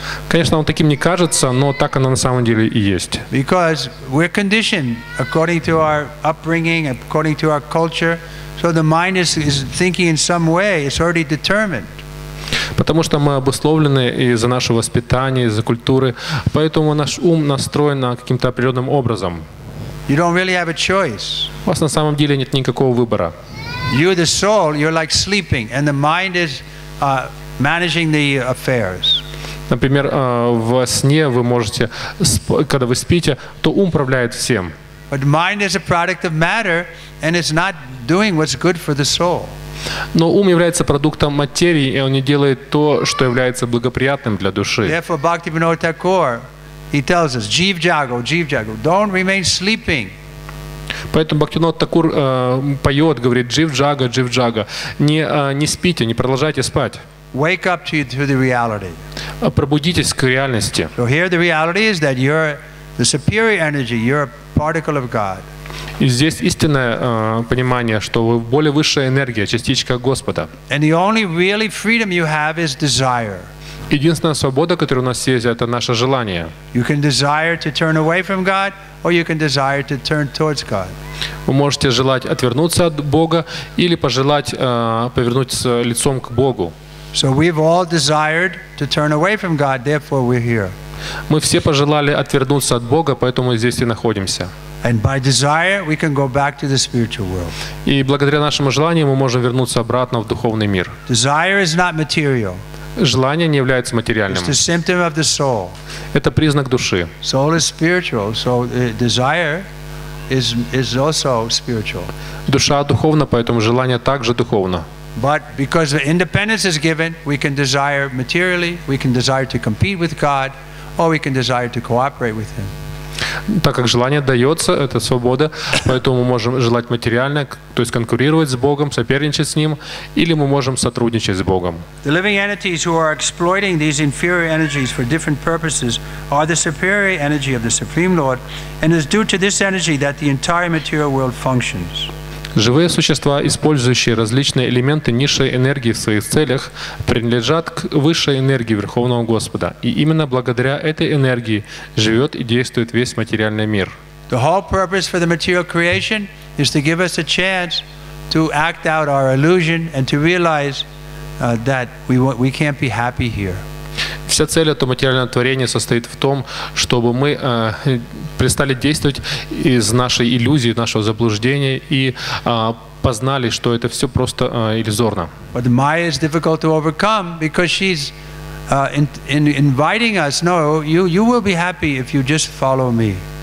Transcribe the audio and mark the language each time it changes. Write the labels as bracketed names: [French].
[Russian] Конечно, он таким не кажется, но так оно на самом деле и есть. [English] Because we're conditioned according to our upbringing, according to our culture, so the mind is thinking in some way, it's already determined. [Russian] Потому что мы обусловлены из-за нашего воспитания, из-за культуры, поэтому наш ум настроен на каким-то определенным образом. [English] You don't really have a choice. [Russian] У вас на самом деле нет никакого выбора. [English] You're the soul, you're like sleeping, and the mind is managing the affairs. [Russian] Например, во сне вы можете, когда вы спите, то ум управляет всем. [English] But mind is a product of matter, and it's not doing what's good for the soul. [Russian] Но ум является продуктом материи, и он не делает то, что является благоприятным для души. [English] Therefore, Bhaktivinoda Thakur, he tells us, Jeev Jago, don't remain sleeping. [Russian] Поэтому Бхактинот Такур поет, говорит, Джив Джага, не спите, не продолжайте спать. [English] Wake up to the reality. [Russian] Пробудитесь к реальности. [English] So here the reality is that you're the superior energy, you're a particle of God. [Russian] И здесь истинное понимание, что вы более высшая энергия, частичка Господа. [English] And the only really freedom you have is desire. [Russian] Единственная свобода, которая у нас есть, это наше желание. [English] You can desire to turn away from God, or you can desire to turn towards God. [Russian] Вы можете желать отвернуться от Бога или пожелать повернуться лицом к Богу. [English] So we've all desired to turn away from God, therefore we're here. [Russian] Мы все пожелали отвернуться от Бога, поэтому здесь и находимся. [English] And by desire we can go back to the spiritual world. [Russian] И благодаря нашему желанию мы можем вернуться обратно в духовный мир. [English] Desire is not material. [Russian] Желание не является материальным. [English] It's a symptom of the soul. [Russian] Это признак души. [English] Soul is spiritual, so desire is also spiritual. [Russian] Душа духовна, поэтому желание также духовно. [English] But because the independence is given, we can desire materially, we can desire to compete with God, or we can desire to cooperate with Him. [Russian] Так как желание дается, это свобода, поэтому мы можем желать материально, то есть конкурировать с Богом, соперничать с Ним, или мы можем сотрудничать с Богом. [English] The living entities who are exploiting these inferior energies for different purposes are the superior energy of the Supreme Lord, and it's due to this energy that the entire material world functions. [Russian] Живые существа, использующие различные элементы низшей энергии в своих целях, принадлежат к высшей энергии Верховного Господа. И именно благодаря этой энергии живет и действует весь материальный мир. [English] The whole purpose for the material creation is to give us a chance to act out our illusion and to realize that we can't be happy here. [Russian] Вся цель этого материального творения состоит в том, чтобы мы перестали действовать из нашей иллюзии, нашего заблуждения и познали, что это все просто иллюзорно. [English] But Maya is difficult to overcome because she's inviting us. No, you will be happy if you just follow me.